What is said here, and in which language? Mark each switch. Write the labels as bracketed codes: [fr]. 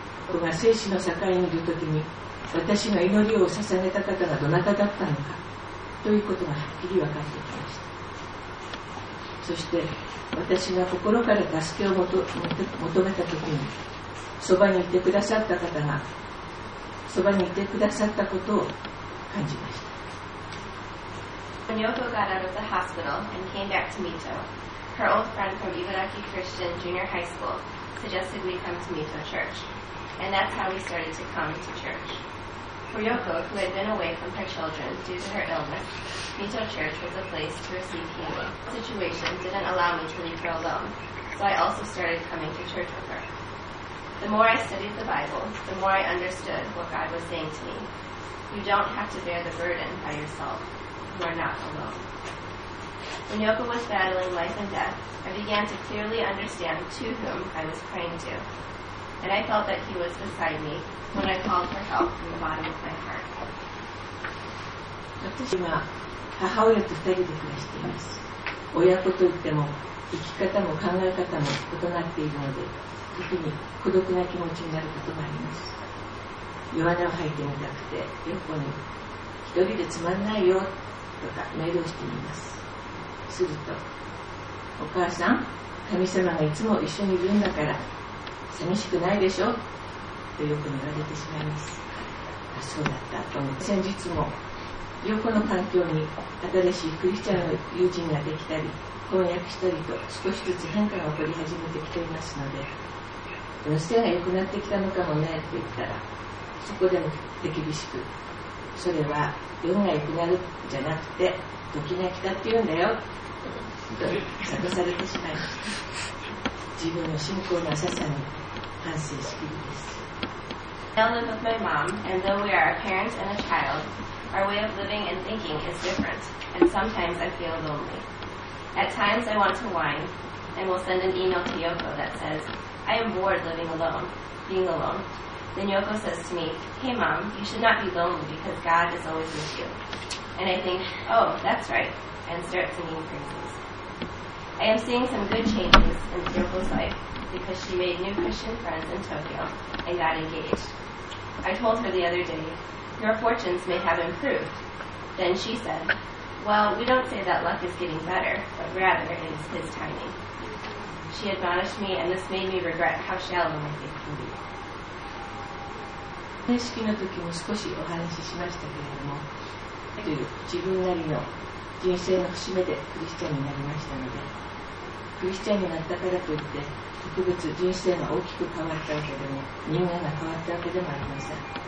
[ja] が生死の境にいるときに私が祈りを捧げた方がどなただったのかということがはっきり分かってきましたそして私が心から助けを求めたときにそばにいてくださった方がそばにいてくださったことを感じました [en] When Yoko got out of the hospital and came back to Mito her old friend from Ibaraki Christian Junior High School suggested we come to Mito ChurchAnd that's how we started to come to church. For Yoko, who had been away from her children due to her illness, Mito Church was a place to receive healing. The situation didn't allow me to leave her alone, so I also started coming to church with her. The more I studied the Bible, the more I understood what God was saying to me. You don't have to bear the burden by yourself. You are not alone. When Yoko was battling life and death, I began to clearly understand to whom I was praying to. And I felt that he was beside me when I called for help from the bottom of my heart. [ja] 私は母親と二人で暮らしています。親子といっても生き方も考え方も異なっているので、特に孤独な気持ちになることがあります。弱音を吐いてみたくて、よっぽに一人でつまんないよとかメールをしてみます。すると、お母さん、神様がいつも一緒にいるんだから寂しくないでしょとよく言われてしまいます。あ、そうだったと思って、先日も横の環境に新しいクリスチャンの友人ができたり、婚約したりと少しずつ変化が起こり始めてきていますので、どうしてが良くなってきたのかもねと言ったら、そこでも手厳しく、それは運が良くなるじゃなくて時が来たって言うんだよと諭されてしまいました。自分の信仰の浅さに反省しきりです。 [en] I live with my mom, and though we are a parent and a child, our way of living and thinking is different, and sometimes I feel lonely. At times I want to whine, and will send an email to Yoko that says, I am bored living alone, being alone. Then Yoko says to me, hey mom, you should not be lonely because God is always with you. And I think, oh, that's right, and start singing praises. I am seeing some good changes in Yoko's life, because she made new Christian friends in Tokyo and got engaged. I told her the other day, your fortunes may have improved. Then she said, well, we don't say that luck is getting better, but rather it is his timing. She admonished me, and this made me regret how shallow my faith can be. [ja] 認識の時も少しお話ししましたけれども、自分なりの人生の節目でクリスチャンになりましたので、クリスチャンになったからといって、特別人生が大きく変わったわけでも、人間が変わったわけでもありません。